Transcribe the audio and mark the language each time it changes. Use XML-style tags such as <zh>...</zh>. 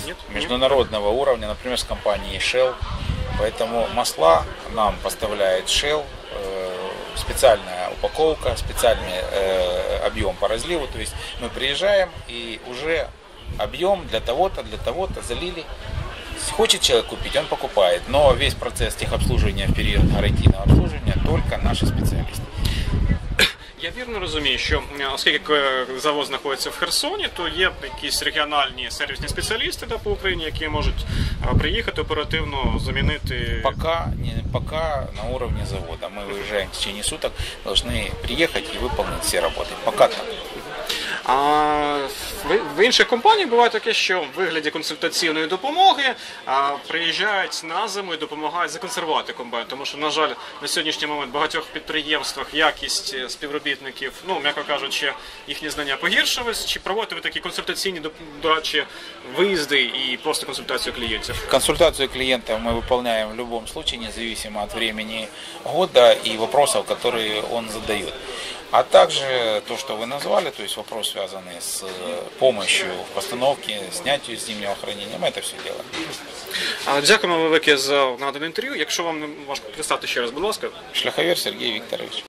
<ru>Нет,</ru> <uk>міжнародного</uk> <ru>уровня,</ru> <uk>наприклад, з компанією</uk> <ru>Shell. Поэтому масла нам поставляет Shell, специальная упаковка, специальный объем по разливу. То есть мы приезжаем и уже объем для того-то залили. Хочет человек купить, он покупает. Но весь процесс техобслуживания в период гарантийного обслуживания только наши специалисты.</ru> <uk>Я вірно розумію, що оскільки завод знаходиться в Херсоні, то є якісь регіональні сервісні спеціалісти да, по Україні, які можуть приїхати оперативно замінити. Поки на рівні заводу. Ми виїжджаємо</uk> <ru>в течение суток,</ru> <uk>повинні приїхати і виконати всі роботи. Поки так. А в інших компаніях буває таке, що в вигляді консультаційної допомоги приїжджають на зиму і допомагають законсервувати комбайн. Тому що, на жаль, на сьогоднішній момент в багатьох підприємствах якість співробітників, ну, м'яко кажучи, їхні знання погіршились. Чи проводите ви такі консультаційні дорадчі виїзди і просто консультацію клієнтів? Консультацію клієнта ми виконуємо в будь-якому випадку, незалежно від часу року і питань, які він задає.</uk> <ru>А также то, что вы назвали, то есть вопрос, связанный с помощью в постановке, снятию зимнего хранения, мы это все делаем.</ru> <uk>Дякую вам велике</uk> <ru>за наданное интервью. Если вам</ru> <uk>не важко,</uk> <ru>представьте еще раз,</ru> <uk>будь ласка.</uk> <ru>Шляховер Сергей Викторович.</ru>